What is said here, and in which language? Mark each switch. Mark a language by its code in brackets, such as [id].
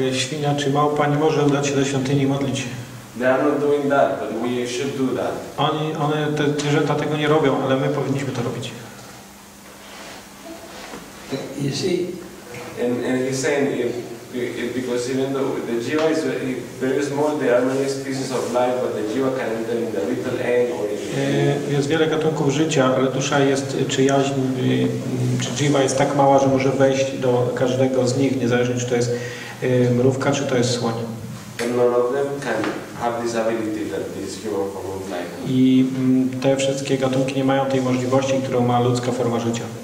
[pl] świnia czy małpa nie może udać się do świątyni modlić. [en] They are not doing that, but we should do that. [pl] One te zwierzęta tego nie robią, ale my powinniśmy to robić. [en] You see, and he's saying if because even though the jiva is very small, there are many species of life, but the jiva can enter in the little egg or in the egg. [pl] Jest wiele gatunków życia, ale dusza jest czyjaźń, czy jiva jest tak mała, że może wejść do każdego z nich, niezależnie czy to jest mrówka, czy to jest słoń. [en] And none of them can have this ability that this human form of life. [pl] I te wszystkie gatunki nie mają tej możliwości, którą ma ludzka forma życia.